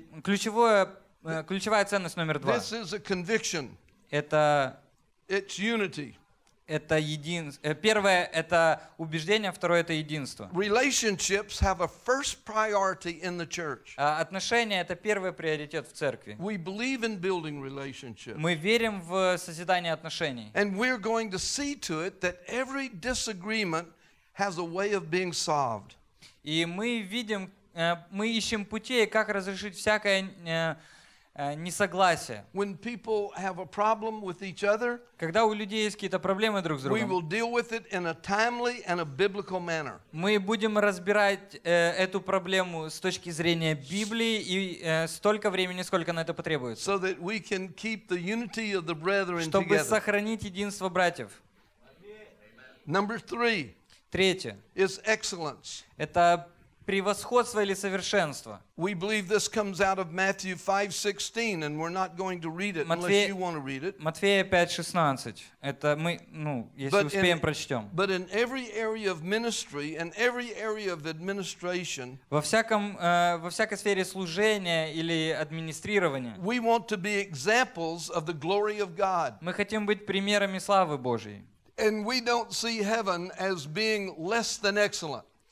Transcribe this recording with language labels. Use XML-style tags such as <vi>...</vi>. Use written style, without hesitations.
<ru>Ключевая ценность номер два.</ru> <en>This is a conviction.</en> <ru>Это</ru> <en>it's unity.</en> <ru>это первое это убеждение, второе это единство.</ru> <en>Relationships have a first priority in the church.</en> <ru>Отношения это первый приоритет в церкви.</ru> <en>We believe in building relationships.</en> <ru>Мы верим в созидание отношений.</ru> <en>And we're going to see to it that every disagreement has a way of being solved.</en> <ru>И мы видим, мы ищем путей, как разрешить всякое несогласие.</ru> <en>When people have a problem with each other,</en> <ru>когда у людей есть какие-то проблемы друг с другом,</ru> <en>we will deal with it in a timely and a biblical manner.</en> <ru>Мы будем разбирать эту проблему с точки зрения Библии и столько времени, сколько на это потребуется.</ru> <en>So that we can keep the unity of the brethren together.</en> <ru>Чтобы сохранить единство братьев.</ru> <en>Number three.</en> <ru>Третье.</ru> <en>Is excellence.</en> <ru>Это превосходство или совершенство.</ru> <en>We believe this comes out of Matthew 5:16, and we're not going to read it unless you want to read it.</en> <ru>Матфея 5:16. Это мы, ну, если успеем, прочтем.</ru> <en>But in every area of ministry and every area of administration,</en> <ru>во всякой сфере служения или администрирования,</ru> <en>we want to be examples of the glory of God.</en> <ru>Мы хотим быть примерами славы Божьей.</ru> <en>And we don't see heaven as being less than excellent.</en>